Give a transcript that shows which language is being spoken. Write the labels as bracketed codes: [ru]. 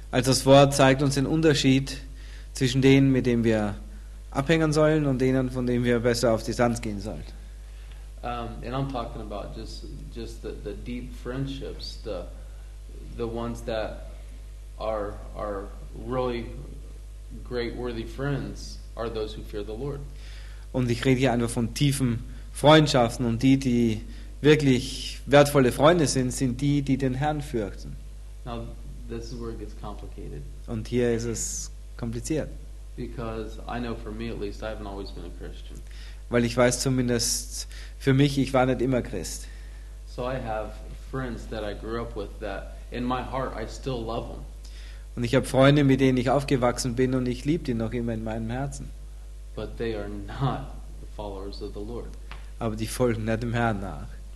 [de] Also das Wort zeigt uns den Unterschied zwischen denen, mit denen wir abhängen sollen, und denen, von denen wir besser auf Distanz gehen sollen. [en] And I'm talking about just the deep friendships, the ones that are really great worthy friends are those who fear the Lord. [de] Und ich rede hier einfach von tiefen Freundschaften, und die wirklich wertvolle Freunde sind die den Herrn fürchten. [en] Now this is where it gets complicated. [de] Und hier ist es kompliziert. [en] Because I know for me at least I haven't always been a Christian. [de] Weil ich weiß zumindest für mich, ich war nicht immer Christ. [en] So I have friends that I grew up with that in my heart I still love them. [de] Und ich habe Freunde, mit denen ich aufgewachsen bin, und ich liebe die noch immer in meinem Herzen. [en] But they are not the followers of the Lord. [de] Aber die folgen nicht dem Herrn nach.